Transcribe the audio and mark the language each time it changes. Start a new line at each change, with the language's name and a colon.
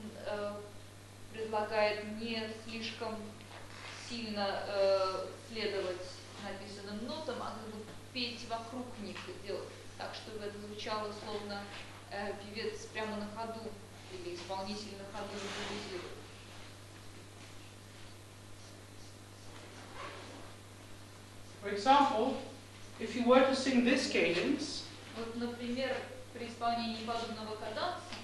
Russian: Он предлагает не слишком сильно следовать написанным нотам, а как бы петь вокруг них и делать так, чтобы это звучало словно певец прямо на ходу или исполнитель на ходу импровизирует.
English: For example, if you were to sing this cadence,
Russian: вот, например, при исполнении подобного каданса,